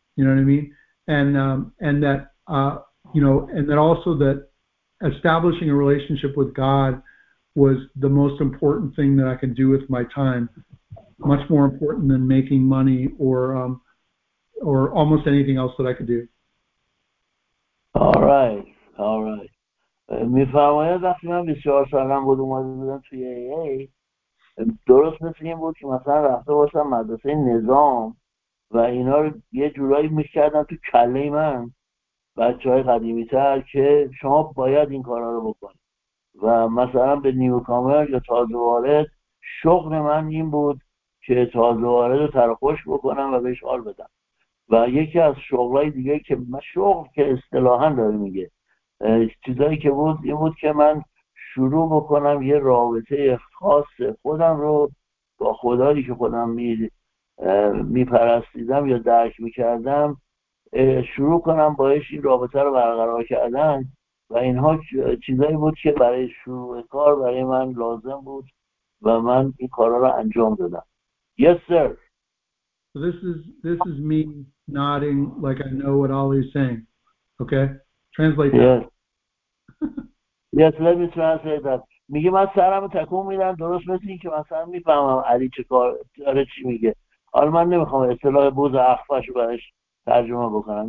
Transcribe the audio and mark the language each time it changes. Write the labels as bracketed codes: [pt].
[en] You know what I mean? And also that establishing a relationship with God was the most important thing that I could do with my time. Much more important than making money or almost anything else that I could do. All right. Alright. [fa] می فرماید وقتی من 24 سالم بود اومده بودم توی AA، درست مثل این بود که مثلا رفته باشم مدرسه نظام و اینا رو یه جورایی می کردن تو کله من بچه های قدیمی تر که شما باید این کارها رو بکنید و مثلا به نیوکامر یا تازه وارد شغل من این بود که تازه وارد رو ترخوش بکنم و بهش حال بدم. و یکی از شغلای دیگه که من شغل که اصطلاحا داره میگه چیزایی که بود این بود که من شروع بکنم یه رابطه خاص خودم رو با خدایی که خودم میپرستیدم یا درک میکردم، شروع کنم باهاش این رابطه رو برقرار کردن. و اینها چیزایی بود که برای شروع کار برای من لازم بود و من این کارا رو انجام دادم. [en] Yes, sir. So this is me nodding like I know what Ali is saying. Okay? Translate that. Yes. Yes, let me translate that. [fa] میگه من سرم رو تکون میدم درست مثل این که مثلا میفهمم علی چه کار داره چی میگه. حالا من نمیخوام اصطلاح بوز اخفش رو برش ترجمه بکنم.